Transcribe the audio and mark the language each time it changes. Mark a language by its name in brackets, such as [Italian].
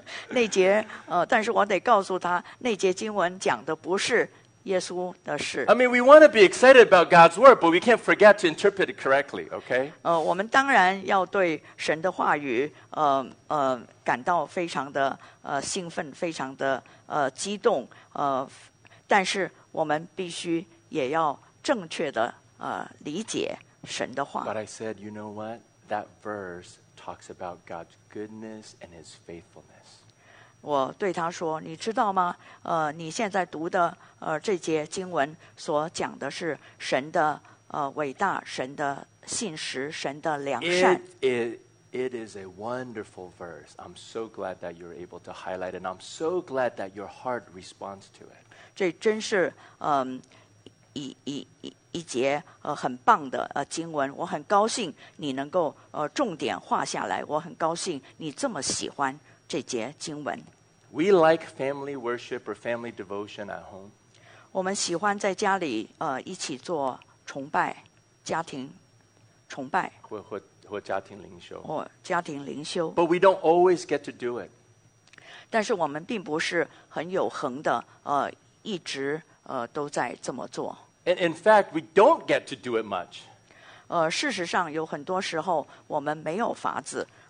[Chinese] 那节但是我得告诉他，那节经文讲的不是耶稣的事。 [English] I mean, we want to be excited about God's word, but we can't forget to interpret it correctly, okay? [Chinese] 我们当然要对神的话语感到非常的兴奋，非常的激动但是我们必须也要正确的理解。神的话。 [English] But I said, you know what? That verse talks about God's goodness and His faithfulness. [Chinese] 我对他说，你知道吗？你现在读的这节经文所讲的是神的伟大，神的信实，神的良善。 [English] It is a wonderful verse. I'm so glad that you're able to highlight it, and I'm so glad that your heart responds to it. [Chinese] 这真是一节很棒的经文，我很高兴你能够重点画下来，我很高兴你这么喜欢这节经文。 [English] We like family worship or family devotion at home. [Chinese] 我们喜欢在家里一起做崇拜，家庭崇拜，或家庭灵修，或家庭灵修。 [English] But we don't always get to do it. [Chinese] 但是我们并不是很有恒的一直都在这么做。 [English] And in fact, we don't get to do it much. [Chinese] 事实上有很多时候我们没有法子